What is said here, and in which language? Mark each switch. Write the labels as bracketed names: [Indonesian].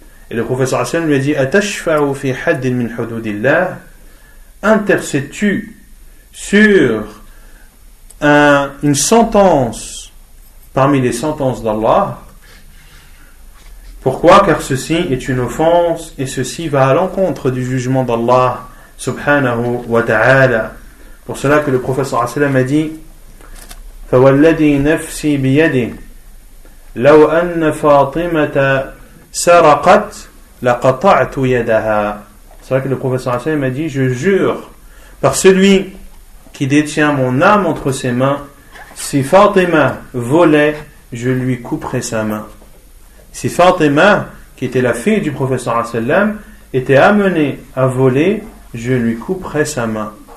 [French] Et le prophète sallallahu alayhi wa sallam lui a dit: [Arabic] atashfa'u fi haddin min hududillah, [French] intercèdes-tu sur une sentence parmi les sentences d'Allah? Pourquoi? Car ceci est une offense et ceci va à l'encontre du jugement d'Allah subhanahu wa ta'ala. Pour cela que le prophète sallam a dit: [Arabic] فَوَالَّذِي نَفْسِي بِيَدِهِ لَوْ أَنَّ فَاطِمَةَ سَرَقَتْ لَقَطَعْتُ يَدَهَا. [French] C'est vrai que le prophète sallam a dit: je jure par celui qui détient mon âme entre ses mains, si Fatima volait, je lui couperais sa main. Si Fatima, qui était la fille du prophète sallallahu alayhi wa sallam, était amenée à voler, je lui couperais sa main.